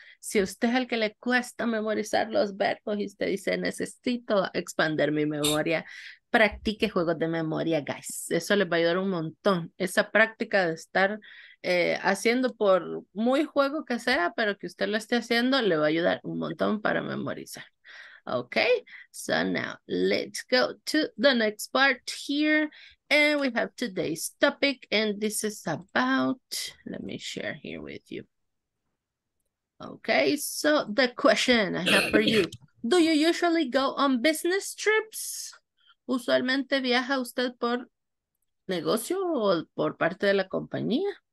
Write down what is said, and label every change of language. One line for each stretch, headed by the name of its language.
Spanish: Si usted es el que le cuesta memorizar los verbos y usted dice, necesito expandir mi memoria, practique juegos de memoria, guys. Eso les va a ayudar un montón. Esa práctica de estar haciendo por muy juego que sea, pero que usted lo esté haciendo, le va a ayudar un montón para memorizar.
English: Okay, so now let's go to the next part here. And we have today's topic, and this is about, let me share here with you. Okay, so the question I have for you. Do you usually go on business trips?
Spanish: ¿Usualmente viaja usted por negocio o por parte de la compañía?